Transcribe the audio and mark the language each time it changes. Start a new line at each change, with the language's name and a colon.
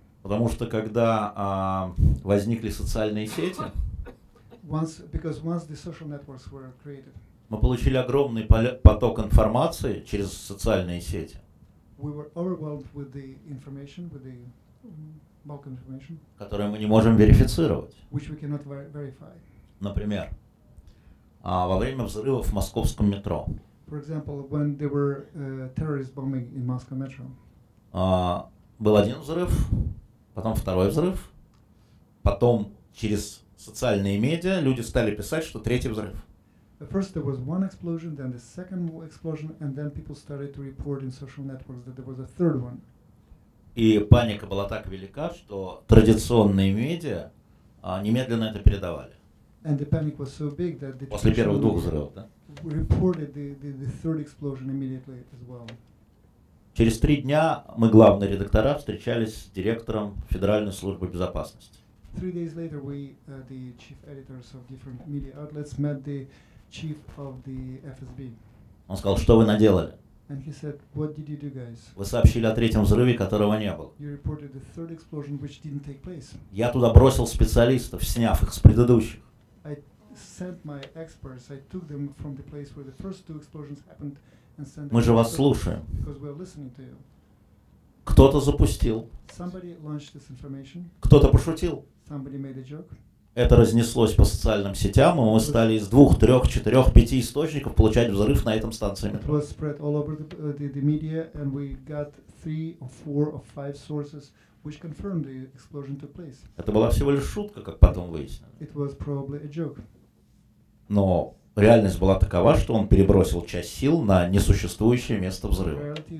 Russian: Потому что когда возникли социальные сети,
English: Because the social networks were created,
Russian: мы получили огромный поток информации через социальные сети,
English: we were overwhelmed with the information, with the bulk information,
Russian: которую мы не можем верифицировать.
English: Which we cannot verify.
Russian: Например, во время взрывов в московском метро.
English: For example, when there were terrorist bombing in Moscow metro.
Russian: Был один взрыв, потом второй взрыв, потом через социальные медиа, люди стали писать, что третий взрыв.
English: First there was one explosion, then the second explosion, and then people started to report in social networks that there was a third one.
Russian: И паника была так велика, что традиционные медиа немедленно это передавали.
English: And the panic was so big that the
Russian: после первых двух взрывов, да?
English: Reported the third explosion immediately as well.
Russian: Через три дня мы, главные редактора, встречались с директором Федеральной службы безопасности.
English: 3 days later, we, the chief editors of different media outlets, met the chief of the FSB.
Russian: Он сказал, что вы наделали?
English: And he said, what did you do, guys?
Russian: Вы сообщили о третьем взрыве, которого не было.
English: You reported the third explosion, which didn't take place.
Russian: Я туда бросил специалистов, сняв их с предыдущих.
English: I sent my experts. I took them from the place where the first two explosions happened and sent them.
Russian: Мы же вас слушаем.
English: Because we're listening to you.
Russian: Кто-то запустил.
English: Somebody launched this information.
Russian: Кто-то пошутил.
English: Somebody made a joke.
Russian: Это разнеслось по социальным сетям, и мы стали из 2, 3, 4, 5 источников получать взрыв на этом станции метро.
English: It was spread all over the media, and we got 3, 4, 5 sources, which confirmed the explosion took place.
Russian: Это была всего лишь шутка, как потом выяснилось.
English: It was probably a joke.
Russian: Но реальность была такова, что он перебросил часть сил на несуществующее место взрыва.